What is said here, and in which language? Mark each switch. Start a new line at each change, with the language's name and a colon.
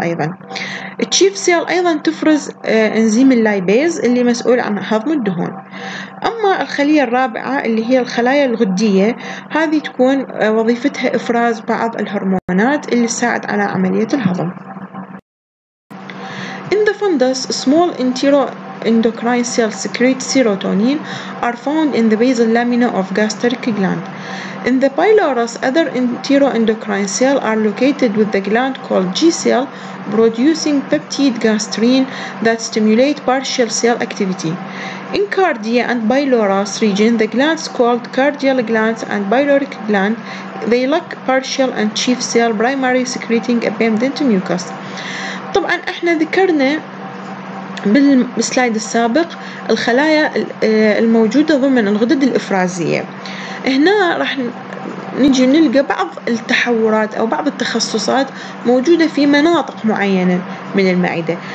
Arabic: ايضا التشيف سيل ايضا تفرز انزيم اللايبيز اللي مسؤول عن هضم الدهون. اما الخليه الرابعه اللي هي الخلايا الغديه، هذه تكون وظيفتها افراز بعض الهرمونات اللي تساعد على عمليه الهضم.
English: In the fundus, small enteroendocrine cells secrete serotonin are found in the basal lamina of gastric gland. In the pylorus, other enteroendocrine cells are located with the gland called G cell, producing peptide gastrin that stimulate partial cell activity. In cardia and pylorus region, the glands called cardial glands and pyloric gland, they lack partial and chief cell primary secreting abundant mucus.
Arabic: طبعا احنا ذكرنا بالسلايد السابق الخلايا الموجودة ضمن الغدد الإفرازية. هنا راح نجي نلقى بعض التحورات أو بعض التخصصات موجودة في مناطق معينة من المعدة.